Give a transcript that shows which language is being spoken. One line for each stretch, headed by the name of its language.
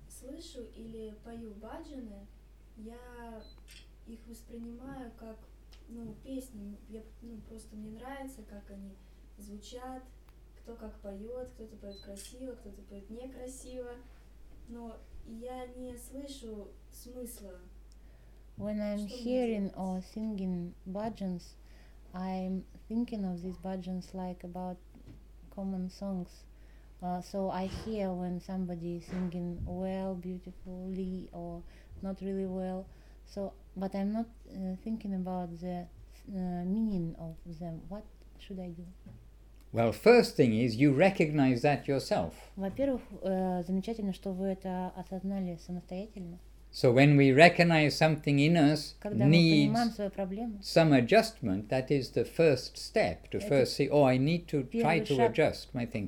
Russian: Слышу или пою баджаны, я их воспринимаю как... Ну, песни, просто мне нравится, как они звучат, кто как поет, кто-то поет красиво, кто-то поет некрасиво, но я не слышу смысла.
English: When I'm hearing or singing bhajans, I'm thinking of these bhajans like about common songs. So I hear when somebody is singing well, beautifully, or not really well. So, but I'm not thinking about the meaning of them. What should I do? Well, first thing is you recognize that yourself.
Russian: Во-первых, замечательно, что вы это осознали самостоятельно.
English: So when we recognize something in us
Russian: когда
English: needs
Russian: мы понимаем свою проблему,
English: some adjustment, that is the first step to first see, oh, I need to try to adjust my thinking.